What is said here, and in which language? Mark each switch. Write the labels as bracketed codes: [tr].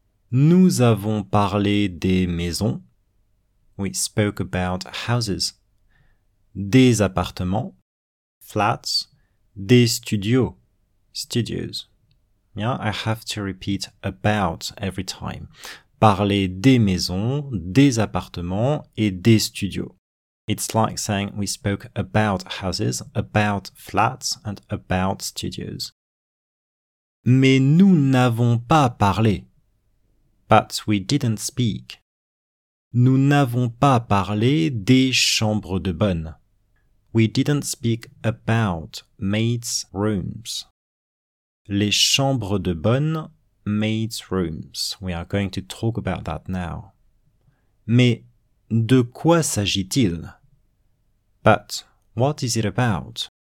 [fr] Nous avons parlé des maisons, [en] we spoke about houses. [fr] Des appartements, flats. Des studios, studios. [en] Yeah, I have to repeat about every time. [fr] Parler des maisons, des appartements et des studios. [en] It's like saying we spoke about houses, about flats, and about studios. [fr] Mais nous n'avons pas parlé. [en] But we didn't speak. [fr] Nous n'avons pas parlé des chambres de bonne. [en] We didn't speak about maids' rooms. [fr] Les chambres de bonne [en] maids' rooms. We are going to talk about that now. [fr] Mais de quoi s'agit-il? [en] But what is it about?